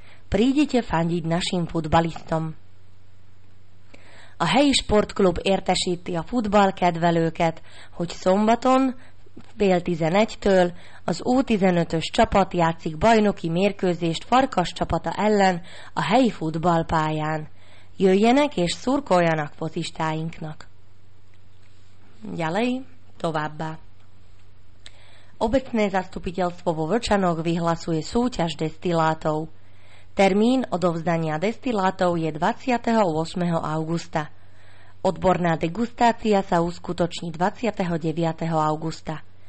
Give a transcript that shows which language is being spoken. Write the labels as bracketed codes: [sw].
[sk] Prídite fandiť našim futbalistom. [hu] A helyi sportklub értesíti a futballkedvelőket, hogy szombaton 10:30-től az U15-ös csapat játszik bajnoki mérkőzést Farkas csapata ellen a helyi futballpályán. Jöjjenek és szurkoljanak focistáinknak. [sk] Ďalej, [hu] továbbá. [sk] Obecné zastupiteľstvo vo Vlčanoch vyhlasuje súťaž destilátov. Termín odovzdania destilátov je 28. augusta. Odborná degustácia sa uskutoční 29. augusta.